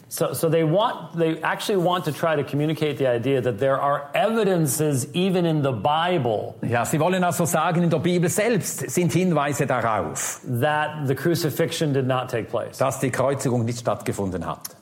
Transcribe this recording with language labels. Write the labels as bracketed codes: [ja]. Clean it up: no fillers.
[en] So they actually want to try to communicate the idea that there are evidences even in the Bible. [de] Ja, sie wollen also sagen, in der Bibel selbst sind Hinweise darauf, [en] that the crucifixion did not take place. [de] Dass die Kreuzigung nicht stattgefunden hat.